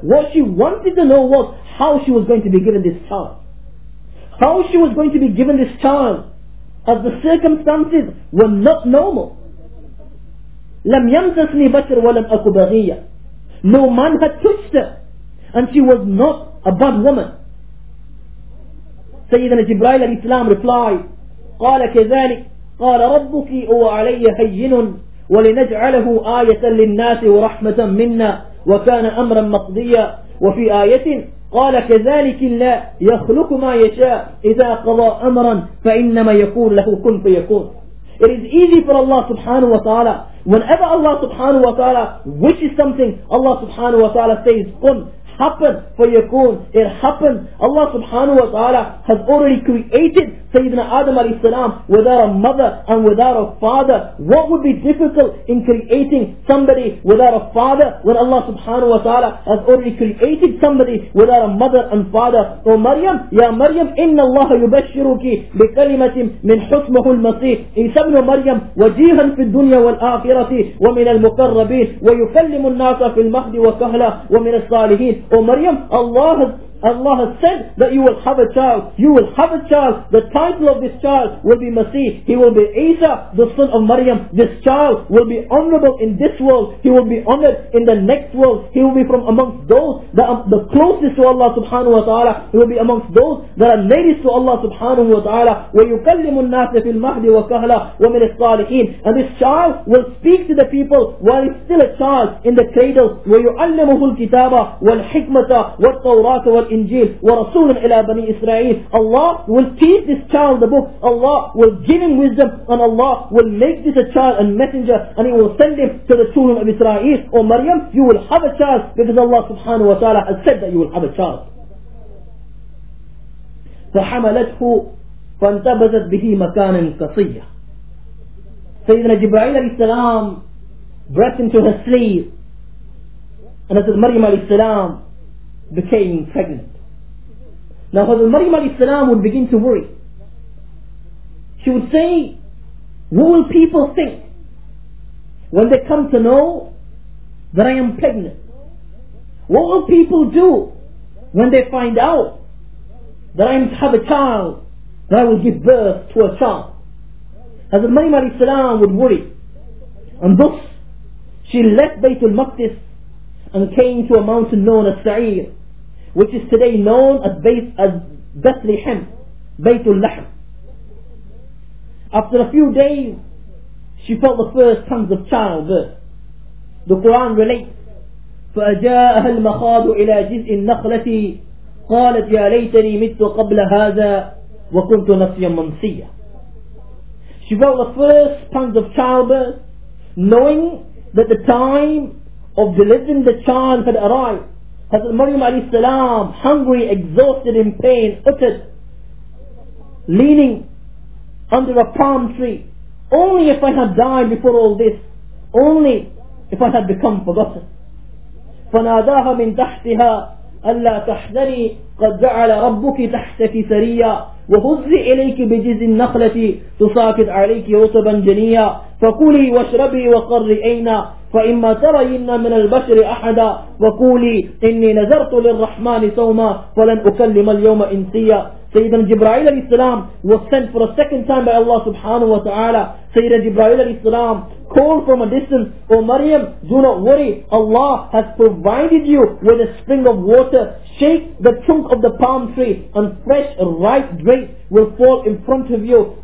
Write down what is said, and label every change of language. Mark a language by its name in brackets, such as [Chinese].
[English] What she wanted to know was how she was going to be given this child. How she was going to be given this child, as the circumstances were not normal. [Arabic] لَمْ يَمْسَسْنِي بَشْرٌ وَلَمْ أَكُ بَغِيًّا. [English] No man had touched her, and she was not a bad woman. Sayyidina Jibreel alayhi salam replied, [Arabic] قَالَ كَذَلِكَ قَالَ رَبُّكِ وَعَلَيَّ هَيِّنٌ ولنجعله آية للناس ورحمة منا وكان أمرا مقضيا. وفي آية قال كذلك الله يخلق ما يشاء إذا قضى أمرا فإنما يقول له كن فيكون. [English] It is easy for Allah subhanahu wa ta'ala. Whenever Allah subhanahu wa ta'ala wishes something, Allah subhanahu wa ta'ala says kun, happen, [Arabic] فيكون. [English] It happens. Allah subhanahu wa ta'ala has already created Sayyidina Adam alayhi salam without a mother and without a father. What would be difficult in creating somebody without a father when Allah subhanahu wa ta'ala has already created somebody without a mother and father? O Maryam, [Arabic] Ya Maryam, إِنَّ اللَّهَ يُبَشِّرُكِ بِكَلِمَةٍ مِّنْ حُسْمَهُ الْمَسِيحِ. إِسَى ابْنُ مَرْيَمْ وَجِيهًا فِي الدُّنْيَا وَالْآخِرَةِ وَمِنَ الْمُقَرَّبِينَ وَيُكَلِّمُ النَّاسَ فِي الْمَهْدِ وَكَهْلًا وَمِنَ الصَّالِحِينَ. [English] O Maryam, Allah has said that you will have a child. You will have a child. The title of this child will be Masih. He will be Isa, the son of Maryam. This child will be honorable in this world. He will be honored in the next world. He will be from amongst those that are the closest to Allah subhanahu wa ta'ala. He will be amongst those that are nearest to Allah subhanahu wa ta'ala. [Arabic] وَيُكَلِّمُ النَّاسَ فِي الْمَهْدِ وَكَهْلًا وَمِنَ الصَّالِحِينَ. [English] And this child will speak to the people while he's still a child in the cradle. [Arabic] وَيُعَلِّمُهُ الْكِتَابَ وَالْحِكْمَةَ وَالتَّوْرَاةَ الإنجيل ورسولا إلى بني إسرائيل. [English] Allah will teach this child the book. Allah will give him wisdom, and Allah will make this a child and messenger, and he will send him to the children of Israel. O Maryam, you will have a child because Allah subhanahu wa ta'ala has said that you will have a child. [Arabic] فحملته فانتبذت به مكانا قصيا. [English] Sayyidina Jibreel alayhi salam breathed into her sleeve, and as Maryam alayhi salam became pregnant. Now Hazrat Maryam alayhi salam would begin to worry. She would say, what will people think when they come to know that I am pregnant? What will people do when they find out that I have a child, that I will give birth to a child? Hazrat Maryam alayhi salam would worry. And thus, she left Baytul Maqdis and came to a mountain known as Sa'ir, which is today known as Bethlehem, Baytul Lahm. After a few days, she felt the first pangs of childbirth. The Quran relates, [Arabic] فَأَجَاءَهَا الْمَخَاضُ إِلَىٰ جِزْءِ النَّخْلَةِ قَالَتْ يَا لَيْتَنِي مِتُّ قَبْلَ هَذَا وَكُنْتُ نَسْيًا مَنْسِيًّا. [English] She felt the first pangs of childbirth, knowing that the time of delivering the child had arrived. Hazrat Maryam alayhi salam, hungry, exhausted, in pain, uttered, leaning under a palm tree, "Only if I had died before all this, only if I had become forgotten." [Arabic] فَنَادَاهَا مِنْ تَحْتِهَا أَلَّا تَحْزَنِي قَدْ جَعَلَ رَبُّكِ تَحْتَكِ سَرِيًّا وَهُزِّ إِلَيْكِ بِجِزِ النَّخْلَةِ تُسَاكِدْ عَلَيْكِ رُطَبًا جَنِيًّا فَكُلِي وَاشْرَبِي وَقَرِّي عَيْنًا فإما ترين من البشر أحدا وقولي إني نذرت للرحمن صوما فلن أكلم اليوم إنسيا. [English] Sayyidina Jibreel alayhi salam was sent for a second time by Allah subhanahu wa ta'ala. Sayyidina Jibreel alayhi salam called from a distance, "O Maryam, do not worry. Allah has provided you with a spring of water. Shake the trunk of the palm tree and fresh ripe grapes will fall in front of you.